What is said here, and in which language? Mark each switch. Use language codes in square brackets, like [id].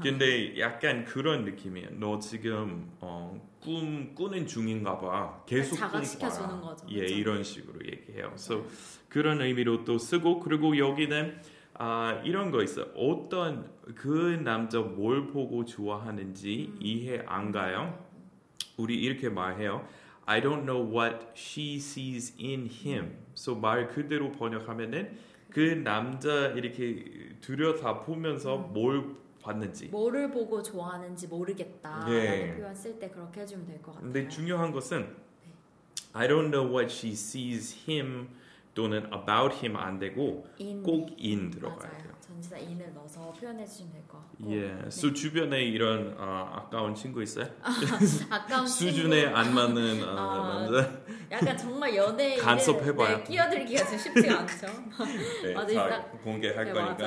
[ko] 근데 약간 그런 느낌이에요. 너 지금 꿈 꾸는 중인가 봐. 계속 자각시켜주는 거죠. 예, 그쵸? 이런 식으로 얘기해요. 네. So, 그런 의미로 또 쓰고 그리고 여기는 이런 거 있어. 어떤 그 남자 뭘 보고 좋아하는지 이해 안 가요? 우리 이렇게 말해요. [en] I don't know what she sees in him. [ko] So 말 그대로 번역하면은 그 남자 이렇게 들여다보면서 뭘 봤는지 뭐를 보고 좋아하는지 모르겠다 네. 라는 표현 쓸 때 그렇게 해주면 될 것 같아요. 근데 중요한 것은 네. [en] I don't know what she sees him [ko] 또는 [en] about him [ko] 안 되고 [en] in. [ko] 꼭 in 들어가야 맞아요. 돼요. 전치사 in을 넣어서 표현해 주시면 될 것 같고 yeah. 네. So 주변에 이런 아까운 친구 있어요? 아까운 수준에 안 맞는 남자? 약간 정말 연예인을 간섭해봐요. 네, 끼어들기가 좀 쉽지 않죠. 네, 맞아요. 다 딱, 공개할 네, 거니까.